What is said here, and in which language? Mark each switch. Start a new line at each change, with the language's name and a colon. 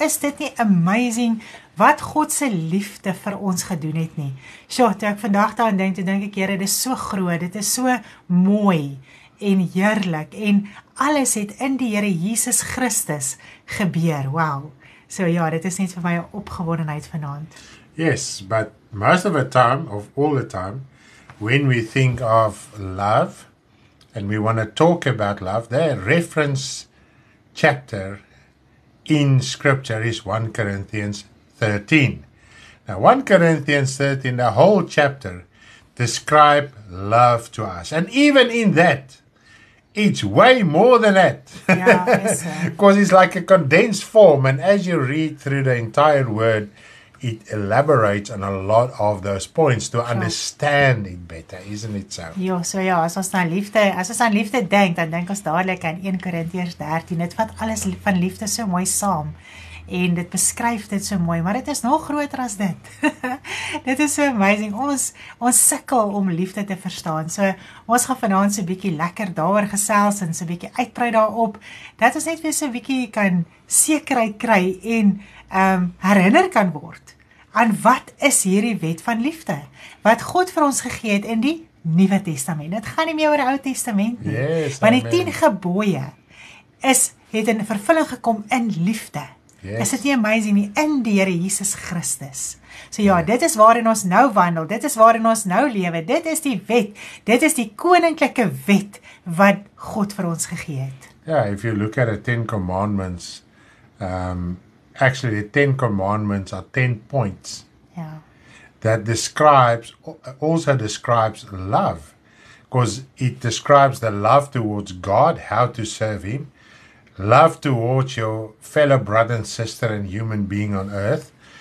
Afrikaans: Is dit nie amazing wat God se liefde vir ons gedoen het nie? Sjoe, toe ek vandag daaraan dink, toe dink ek, Here, dit is so groot, dit is so mooi en heerlik en alles het in die Here Jesus Christus gebeur. Wow. So ja, dit is net vir my 'n opgewondenheid vanaand.
English: Yes, but most of the time, of all the time, when we think of love and we want to talk about love, the reference chapter in scripture is 1 Corinthians 13. Now, 1 Corinthians 13, the whole chapter, describe love to us. And even in that, it's way more than that. Because it's like a condensed form. And as you read through the entire word, it elaborates on a lot of those points to understand it better, isn't it so?
Afrikaans: Ja, so ja, as ons aan liefde, as ons aan liefde denk, dan denk ons dadelijk aan 1 Corinthians 13. Het vat alles van liefde so mooi saam. En dit beskryf dit so mooi, maar dit is nog groter as dit. Dit is so amazing. Ons sukkel om liefde te verstaan. So, ons gaan vanaand so 'n bietjie lekker daaroor gesels en so 'n bietjie uitbrei daarop. Dat ons net weer so 'n bietjie kan sekerheid kry en herinner kan word aan wat is hierdie wet van liefde wat God vir ons gegee het in die Nuwe Testament. Dit gaan nie meer oor die Ou Testament nie.
English: Yes,
Afrikaans: want die 10 gebooie het in vervulling gekom in liefde.
English: Yes.
Afrikaans: Is dit nie amazing nie, in die Here Jesus Christus. So ja, dit is waarin ons nou wandel, dit is waarin ons nou lewe, dit is die wet, dit is die koninklike wet wat God vir ons gegee het.
English: Ja, if you look at the Ten Commandments, actually the Ten Commandments are 10 points that also describes love, because it describes the love towards God, how to serve Him, love towards your fellow brother and sister and human being on earth.